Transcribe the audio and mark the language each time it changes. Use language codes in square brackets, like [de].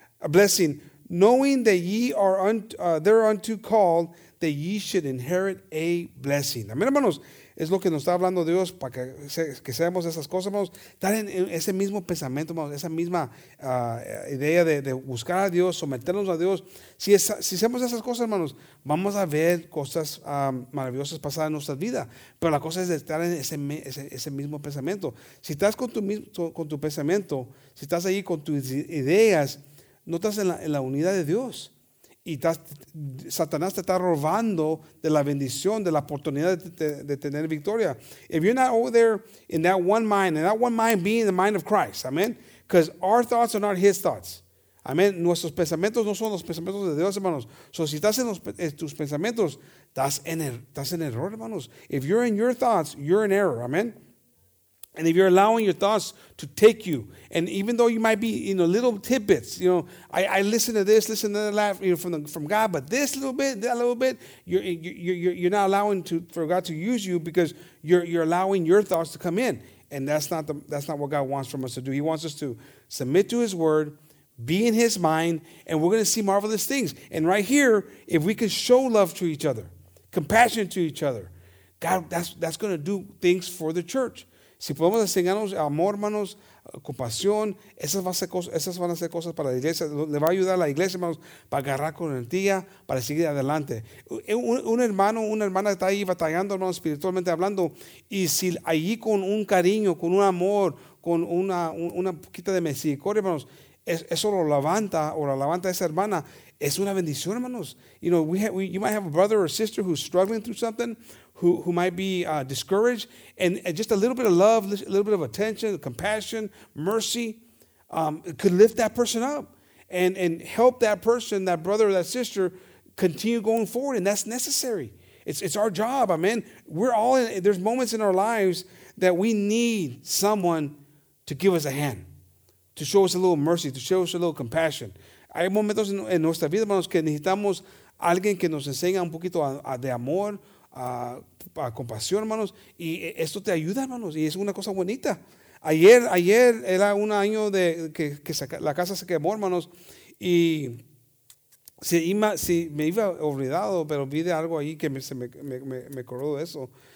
[en] A blessing, knowing that ye are thereunto called, that ye should inherit a blessing. [es] Amén, hermanos, es lo que nos está hablando Dios para que seamos esas cosas, hermanos. Estar en ese mismo pensamiento, hermanos, esa misma idea de buscar a Dios, someternos a Dios. Si hacemos esas cosas, hermanos, vamos a ver cosas maravillosas pasar en nuestra vida. Pero la cosa es estar en ese mismo pensamiento. Si estás con tu pensamiento, si estás ahí con tus ideas, no estás en la unidad de Dios. Y Satanás te está robando de la bendición, de la oportunidad de tener victoria. [en] If you're not over there in that one mind, and that one mind being the mind of Christ, amen? Because our thoughts are not his thoughts. Amen? [es] Nuestros pensamientos no son los pensamientos de Dios, hermanos. So si estás en tus pensamientos, estás en error, hermanos. [en] If you're in your thoughts, you're in error, amen? And if you're allowing your thoughts to take you, and even though you might be, you know, little tidbits, you know, I listen to this, listen to that, you know, from God, but this little bit, that little bit, you're not allowing for God to use you because you're allowing your thoughts to come in, and that's not what God wants from us to do. He wants us to submit to His Word, be in His mind, and we're going to see marvelous things. And right here, if we can show love to each other, compassion to each other, God, that's going to do things for the church. [es] Si podemos enseñarnos amor, hermanos, compasión, esas van a ser cosas para la iglesia. Le va a ayudar a la iglesia, hermanos, para agarrar con energía, para seguir adelante. Un hermano, una hermana está ahí batallando, hermanos, espiritualmente hablando, y si allí con un cariño, con un amor, con una poquita de misericordia, hermanos, eso lo levanta o la levanta esa hermana, es una bendición, hermanos. [en] You know, you might have a brother or sister who's struggling through something, who might be discouraged, and just a little bit of love, a little bit of attention, compassion, mercy, could lift that person up and help that person, that brother or that sister, continue going forward, and that's necessary. It's our job, amen. We're all there's moments in our lives that we need someone to give us a hand, to show us a little mercy, to show us a little compassion. [es] Hay momentos en nuestra vida, hermanos, que necesitamos alguien que nos enseña un poquito de amor, a compasión, hermanos, y esto te ayuda, hermanos, y es una cosa bonita. Ayer era un año de que la casa se quemó, hermanos, y si me iba olvidado, pero vi de algo ahí que me acordó de eso.